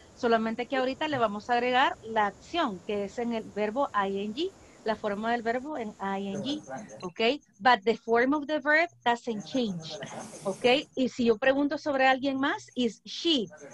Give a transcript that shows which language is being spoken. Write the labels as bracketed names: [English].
[Spanish] Solamente que ahorita le vamos a agregar la acción, que es en el verbo ing, la forma del verbo en ing. [English] Okay? But the form of the verb doesn't change. Okay? [Spanish] Y si yo pregunto sobre alguien más, [English] is she?